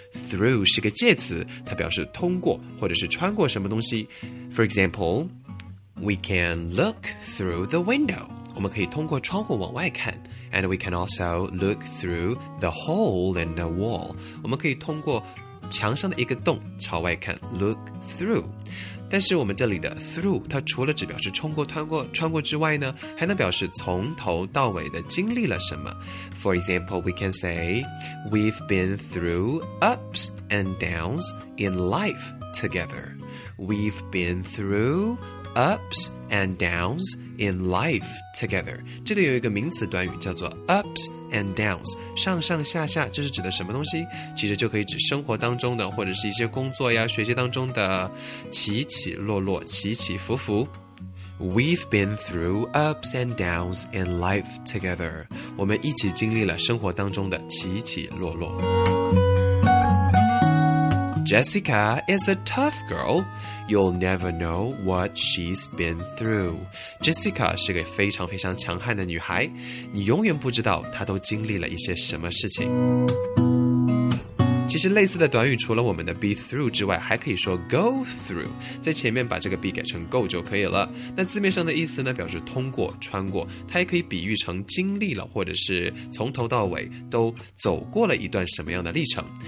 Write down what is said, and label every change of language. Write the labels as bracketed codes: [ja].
[zh] Through 是个介词，它表示通过或者是穿过什么东西。 [en] For example, we can look through the window. [zh] 我们可以通过窗户往外看 [en] And we can also look through the hole in the wall [zh] 我们可以通过墙上的一个洞朝外看 Look through 但是我们这里的 through 它除了只表示通过、穿过之外呢还能表示从头到尾的经历了什么 For example, we can say [en] We've been through ups and downs in life together [zh] We've been throughUps and downs in life together 这里有一个名词短语叫做 ups and downs 上上下下这是指的什么东西其实就可以指生活当中的或者是一些工作呀学习当中的起起落落起起伏伏 [en] We've been through ups and downs in life together [zh] 我们一起经历了生活当中的起起落落 [en] Jessica is a tough girl. You'll never know what she's been through. [zh] Jessica 是个非常非常强悍的女孩，你永远不知道她都经历了一些什么事情。其实类似的短语除了我们的 be through 之外还可以说 go through 在前面把这个 be 改成 go 就可以了那字面上的意思呢表示通过穿过它也可以比喻成经历了或者是从头到尾都走过了一段什么样的历程